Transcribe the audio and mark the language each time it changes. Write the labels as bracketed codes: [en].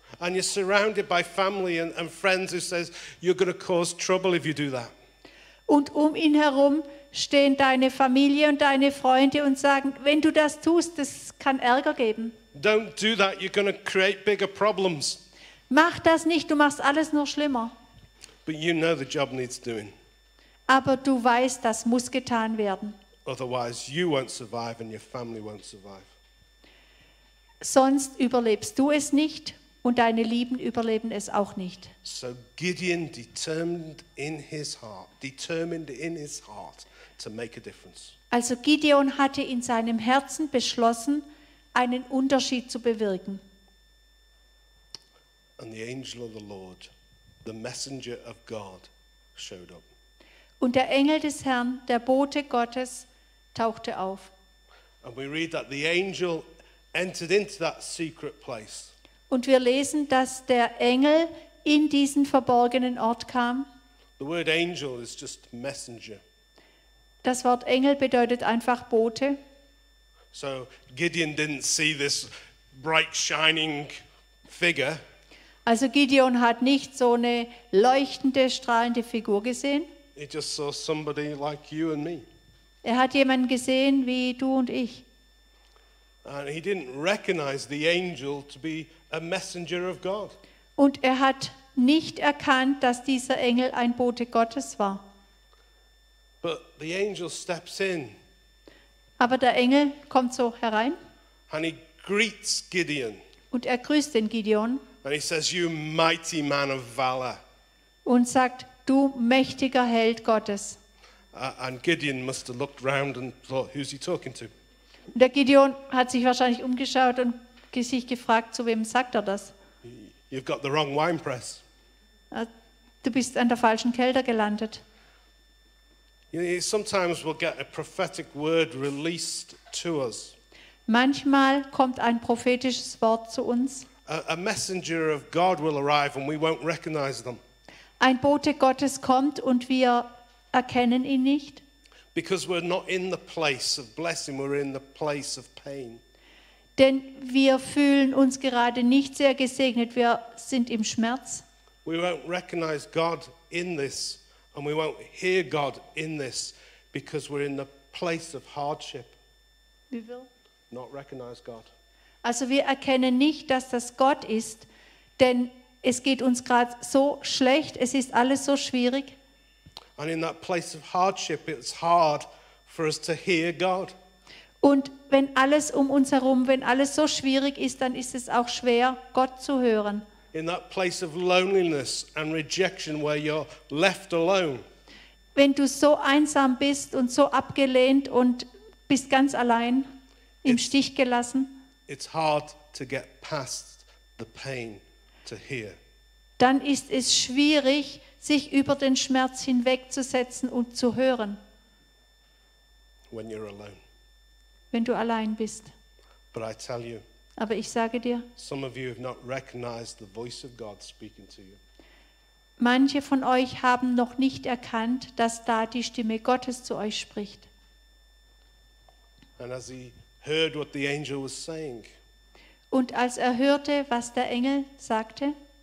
[en] And you're surrounded by family and friends who says you're going to cause trouble if you do that. [de] Und um ihn herum stehen deine Familie und deine Freunde und sagen, wenn du das tust, das kann Ärger geben. [en] Don't do that, you're going to create bigger problems. [de] Mach das nicht, du machst alles nur schlimmer. [en] But you know the job needs doing. [de] Aber du weißt, das muss getan werden. [en] Otherwise you won't survive and your family won't survive. [de] Sonst überlebst du es nicht und deine Lieben überleben es auch nicht. [en] So Gideon determined in his heart to make a difference. [de] Also Gideon hatte in seinem Herzen beschlossen, einen Unterschied zu bewirken. [en] And the angel of the Lord, the messenger of God, showed up. [de] Und der Engel des Herrn, der Bote Gottes, tauchte auf. [en] And we read that the angel entered into that secret place. [de] Und wir lesen, dass der Engel in diesen verborgenen Ort kam. [en] The word angel is just messenger. [de] Das Wort Engel bedeutet einfach Bote. [en] So Gideon didn't see this bright shining figure. [de] Also Gideon hat nicht so eine leuchtende, strahlende Figur gesehen. [en] He just saw somebody like you and me. [de] Er hat jemanden gesehen wie du und ich. [en] And he didn't recognize the angel to be a messenger of God. [de] Und er hat nicht erkannt, dass dieser Engel ein Bote Gottes war. [en] But the angel steps in. [de] Aber der Engel kommt so herein. [en] And he greets Gideon. [de] Und er grüßt den Gideon. [en] And he says, "You mighty man of valor." [de] Und sagt, du mächtiger Held Gottes. [en] And Gideon must have looked round and thought, "Who's he talking to?" [de] Der Gideon hat sich wahrscheinlich umgeschaut und sich gefragt, zu wem sagt er das? [en] You've got the wrong wine press. [de] Du bist an der falschen Kelter gelandet. [en] You know, sometimes we'll get a prophetic word released to us. [de] Manchmal kommt ein prophetisches Wort zu uns. [en] A messenger of God will arrive and we won't recognize them. [de] Ein Bote Gottes kommt und wir erkennen ihn nicht. [en] Because we're not in the place of blessing, we're in the place of pain. [de] Denn wir fühlen uns gerade nicht sehr gesegnet, wir sind im Schmerz. [en] We won't recognize God in this and we won't hear God in this because we're in the place of hardship. [de] Wie will? [en] Not recognize God. [de] Also wir erkennen nicht, dass das Gott ist, denn es geht uns gerade so schlecht, es ist alles so schwierig. [en] And in that place of hardship, it's hard for us to hear God. [de] Und wenn alles um uns herum, wenn alles so schwierig ist, dann ist es auch schwer, Gott zu hören. [en] In that place of loneliness and rejection where you're left alone. [de] Wenn du so einsam bist und so abgelehnt und bist ganz allein, im Stich gelassen, [en] it's hard to get past the pain to hear. [de] Dann ist es schwierig, sich über den Schmerz hinwegzusetzen und zu hören. [en] When you're alone. [de] Wenn du allein bist. [en] But I tell you, [de] aber ich sage dir, [en] some of you have not recognized the voice of God speaking to you. [de] Manche von euch haben noch nicht erkannt, dass da die Stimme Gottes zu euch spricht. [en] And as he heard what the angel was saying, [de] und als er hörte, was der Engel sagte,